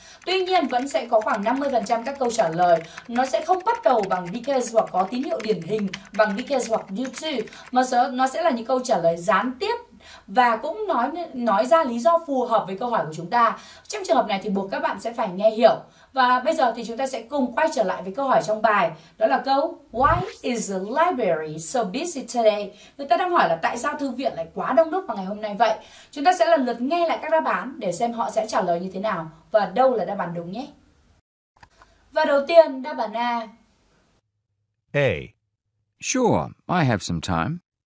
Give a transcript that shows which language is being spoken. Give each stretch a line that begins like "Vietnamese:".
Vietnamese: Tuy nhiên vẫn sẽ có khoảng 50% các câu trả lời nó sẽ không bắt đầu bằng because hoặc có tín hiệu điển hình bằng because hoặc
English: due to,
Vietnamese: mà nó sẽ là những câu trả lời gián tiếp và cũng nói ra lý do phù hợp với câu hỏi của chúng ta. Trong trường hợp này thì buộc các bạn sẽ phải nghe hiểu. Và bây giờ thì chúng ta sẽ cùng quay trở lại với câu hỏi trong bài. Đó là câu
English: Why is the library so busy today?
Vietnamese: Người ta đang hỏi là tại sao thư viện lại quá đông đúc vào ngày hôm nay vậy? Chúng ta sẽ lần lượt nghe lại các đáp án để xem họ sẽ trả lời như thế nào và đâu là đáp án đúng nhé. Và đầu tiên, đáp án A.
English: A. Sure, I have some time.